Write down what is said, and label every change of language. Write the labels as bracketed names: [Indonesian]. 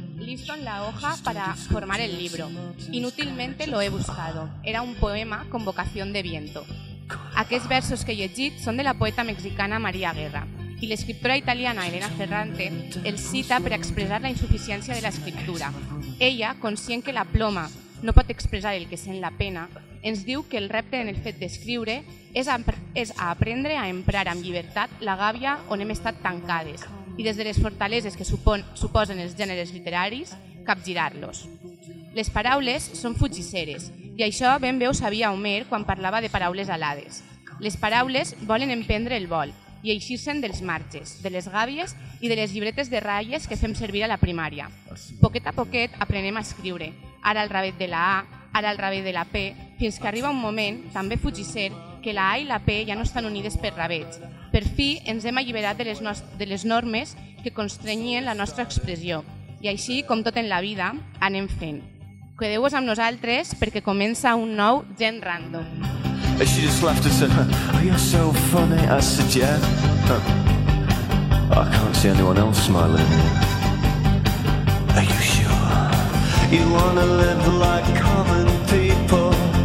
[Spanish] Listo en la hoja para formar el libro. Inútilmente lo he buscado. Era un poema con vocación de viento. [Catalan] Aquests versos que he llegit són de la poeta mexicana María Guerra. I l'escriptora italiana Elena Ferrante el cita per expressar la insuficiència de l'escriptura. Ella, conscient que la ploma no pot expressar el que sent la pena, ens diu que el repte en el fet d'escriure és a aprendre a emprar amb llibertat la gàbia on hem estat tancades i des de les fortaleses que suposen els gèneres literaris, capgirar-los. Les paraules són fugisseres i això ben bé ho sabia Homer quan parlava de paraules alades. Les paraules volen emprendre el vol, i eixir-se'n dels marges, de les gàbies i de les llibretes de ratlles que fem servir a la primària. Poquet a poquet aprenem a escriure, ara al revés de la A, ara al revés de la P, fins que arriba un moment, també fugisser, que la A i la P ja no estan unides per revés. Per fi ens hem alliberat de les normes que constrenyien la nostra expressió. I així, com tot en la vida, anem fent. Quedeu-vos amb nosaltres perquè comença un nou Gent Random. [English] She just laughed and said, "Oh, you're so funny." I said, "Yeah." I can't see anyone else smiling at me. Are you sure? You wanna live like common people?